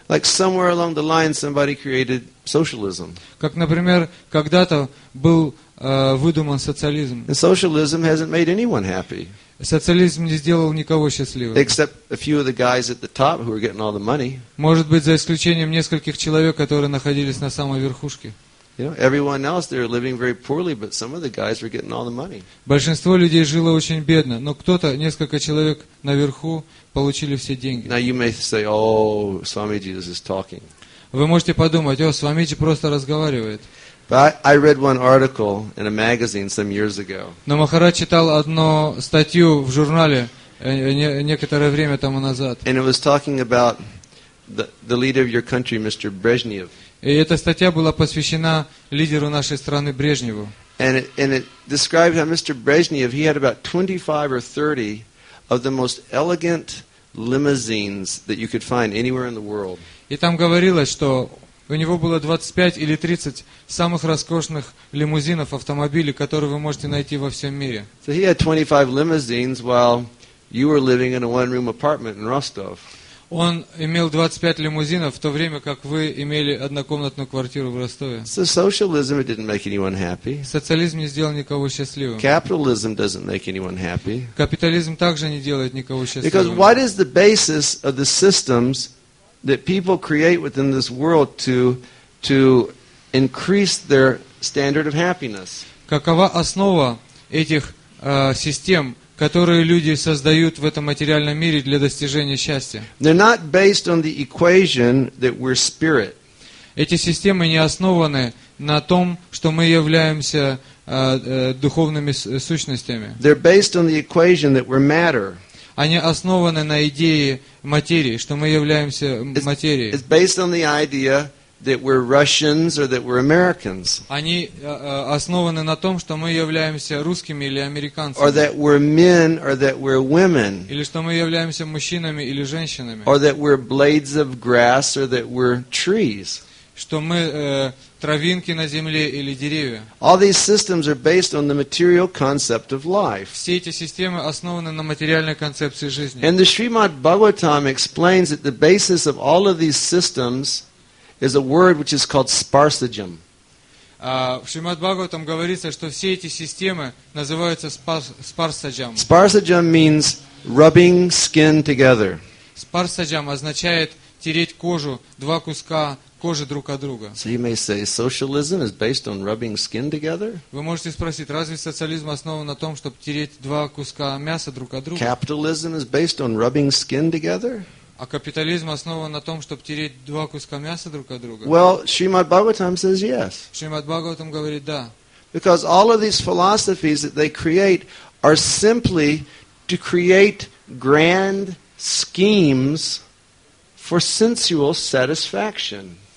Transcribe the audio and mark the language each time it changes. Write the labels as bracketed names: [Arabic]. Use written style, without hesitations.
[English] Like somewhere along the line, somebody created socialism. [Russian] Как, например, когда-то был выдуман социализм. [English] And socialism hasn't made anyone happy. [Russian] Социализм не сделал никого счастливым. [English] Except a few of the guys at the top who were getting all the money. [Russian] Может быть, за исключением нескольких человек, которые находились на самой верхушке. [English] You know, everyone else they're living very poorly, but some of the guys were getting all the money. [Russian] Большинство людей жило очень бедно, но кто-то, несколько человек наверху получили все деньги. [English] Now you may say, "Oh, Swamiji is just talking." [Russian] Вы можете подумать, о, Свамиджи просто разговаривает. [English] But I read one article in a magazine some years ago. [Russian] Но Махарадж читал одну статью в журнале некоторое время тому назад. [English] And it was talking about the leader of your country, Mr. Brezhnev. [Russian] И эта статья была посвящена лидеру нашей страны Брежневу. [English] And it described how Mr. Brezhnev, he had about 25 or 30 of the most elegant limousines that you could find anywhere in the world. [Russian] И там говорилось, что у него было 25 или 30 самых роскошных лимузинов, автомобилей, которые вы можете найти во всем мире. [English] So he had 25 limousines while you were living in a one-room apartment in Rostov. [Russian] Он имел 25 лимузинов, в то время как вы имели однокомнатную квартиру в Ростове. [English] So socialism didn't make anyone happy. [Russian] Социализм не сделал никого счастливым. [English] Capitalism doesn't make anyone happy. [Russian] Капитализм также не делает никого счастливым. [English] Because what is the basis of the systems that people create within this world to increase their standard of happiness? [Russian] Какова основа этих систем, которые люди создают в этом материальном мире для достижения счастья? [English] They're not based on the equation that we're spirit. [Russian] Эти системы не основаны на том, что мы являемся духовными сущностями. [English] They're based on the equation that we're matter. [Russian] Они основаны на идее материи, что мы являемся материей. [English] It's based on the idea that we're Russians or that we're Americans. [Russian] Они основаны на том, что мы являемся русскими или американцами. [English] Or that we're men or that we're women. [Russian] Или что мы являемся мужчинами или женщинами. [English] Or that we're blades of grass or that we're trees. [Russian] Что мы травинки на земле или деревья. [English] All these systems are based on the material concept of life. [Russian] Все эти системы основаны на материальной концепции жизни. [English] And the Srimad Bhagavatam explains that the basis of all of these systems is a word which is called sparsajam. [Russian] В Шримад Бхагаватам говорится, что все эти системы называются спарсаджам. [English] Sparsajam means rubbing skin together. [Russian] Спарсаджам означает тереть кожу, два куска кожи друг от друга. [English] So you may say, socialism is based on rubbing skin together? [Russian] Вы можете спросить, разве социализм основан на том, чтобы тереть два куска мяса друг от друга? [English] Capitalism is based on rubbing skin together? [Russian] А капитализм основан на том, чтобы тереть два куска мяса друг от друга? [English] Well, Srimad Bhagavatam says yes. [Russian] Srimad Bhagavatam говорит да. [English] Because all of these philosophies that they create are simply to create grand schemes for sensual satisfaction.